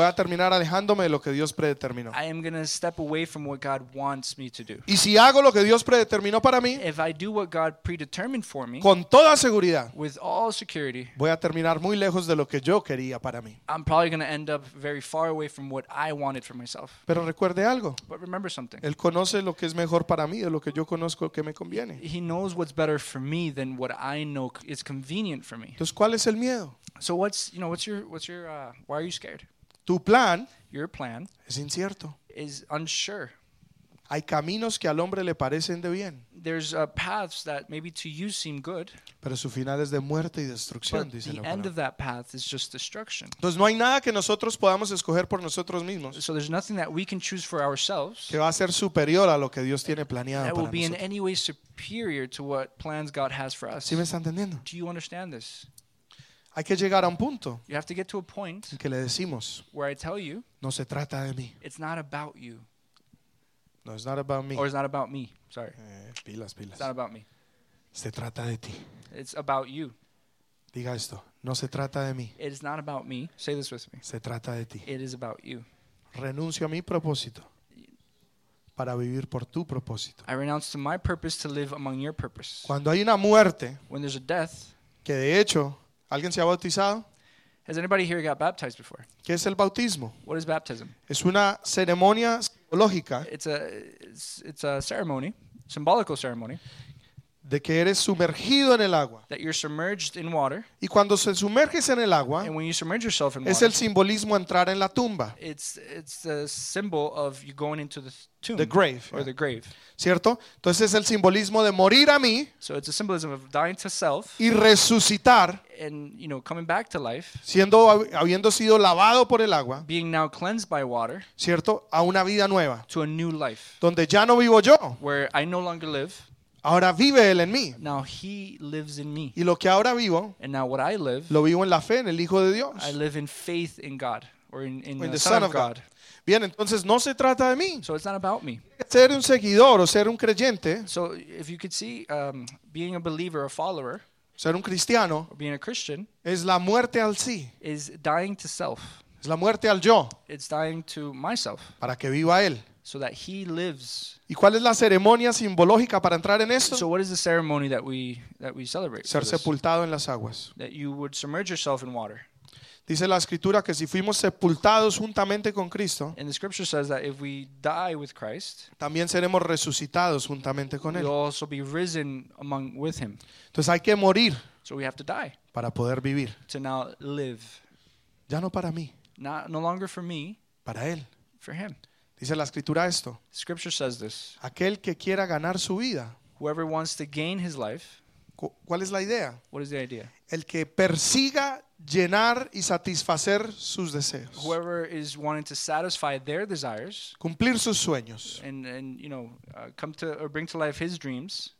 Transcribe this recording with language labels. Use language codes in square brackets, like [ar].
[es] voy a terminar alejándome de lo que Dios predeterminó. [en] I am going to step away from what God wants me to do. [es] Y si hago lo que Dios predeterminó para mí, [en] if I do what God predetermined for me, [es] con toda seguridad, [en] with all security, [es] voy a terminar muy lejos de lo que yo quería para mí. [en] I'm probably going to end up very far away from what I wanted for myself. [es] Pero recuerde algo. [en] But remember something. [es] Él conoce lo que es mejor para mí de lo que yo conozco que me conviene. [en] He knows what's better for me than what I know is convenient for me. [es] Entonces, ¿cuál es el miedo? [en] So what's, you know, what's your why are you scared? [es] Tu plan, [en] your plan, [es] es incierto. [en] Is unsure. [es] Hay caminos que al hombre le parecen de bien. [en] There's paths that maybe to you seem good. [es] Pero su final es de muerte y destrucción, dice la palabra. [en] The end of that path is just destruction. [es] Entonces no hay nada que nosotros podamos escoger por nosotros mismos. [en] So there's nothing that we can choose for ourselves. [es] Que va a ser superior a lo que Dios tiene planeado para nosotros. [en] That will be in any way superior to what plans God has for us. [es] ¿Sí me está entendiendo? [en] Do you understand this? [es] Hay que llegar a un punto. [en] You have to get to a point [es] en que le decimos, [en] where I tell you, [es] no se trata de mí. [en] It's not about you. No, it's not about me. Or it's not about me. Sorry. [es] Pilas. [en] It's not about me. [es] Se trata de ti. [en] It's about you. [es] Diga esto. No se trata de mí. [en] It is not about me. Say this with me. [es] Se trata de ti. [en] It is about you. [es] Renuncio a mi propósito para vivir por tu propósito. [en] I renounce to my purpose to live among your purpose. [es] Cuando hay una muerte, [en] when there's a death, [es] que de hecho, ¿alguien se ha bautizado? [en] Has anybody here got baptized before? [es] ¿Qué es el bautismo? [en] What is baptism? [es] Es una ceremonia psicológica. [en] It's a ceremony, symbolical ceremony. [es] De que eres sumergido en el agua. [en] That you're submerged in water. [es] Y cuando se sumerges en el agua, [en] and when you submerge yourself in water, [es] es el simbolismo entrar en la tumba. [en] It's a symbol of you going into the tomb. The grave. Or the grave. [es] ¿Cierto? Entonces es el simbolismo de morir a mí. [en] So it's a symbolism of dying to self. [es] Y resucitar. [en] And, you know, coming back to life. [es] Siendo, habiendo sido lavado por el agua. [en] Being now cleansed by water. [es] ¿Cierto? A una vida nueva. [en] To a new life. [es] Donde ya no vivo yo. [en] Where I no longer live. [es] Ahora vive él en mí. [en] Now he lives in me. [es] Y lo que ahora vivo, [en] and now what I live, [es] lo vivo en la fe en el Hijo de Dios. [en] I live in faith in God, or in the Son of God. [es] Bien, entonces no se trata de mí. [en] So it's not about me. [es] Ser un seguidor o ser un creyente. [en] So if you could see, being a believer, a follower, [es] ser un cristiano, [en] or being a Christian, [es] es la muerte al sí. [en] Is dying to self. [es] Es la muerte al yo. [en] It's dying to myself. [es] Para que viva él. [en] So that he lives. [es] ¿Y cuál es la ceremonia simbológica para entrar en esto? [en] So what is the ceremony that we celebrate? [es] Ser sepultado en las aguas. [en] That you would submerge yourself in water. [es] Dice la escritura que si fuimos sepultados juntamente con Cristo, [en] and the scripture says that if we die with Christ, [es] también seremos resucitados juntamente con él. [en] We'll also be risen among with him. [es] Entonces hay que morir. [en] So we have to die. [es] Para poder vivir. [en] To now live. [es] Ya no para mí. [en] Not, no longer for me. [es] Para él. [en] For him. [es] Dice la escritura esto. [en] Scripture says this. [es] Aquel que quiera ganar su vida. [en] Whoever wants to gain his life. [es] ¿Cuál es la idea? [en] What is the idea? [es] El que persiga llenar y satisfacer sus deseos. [en] Whoever is wanting to satisfy their desires. [es] Cumplir sus sueños. [en] And you know, come to or bring to life his dreams.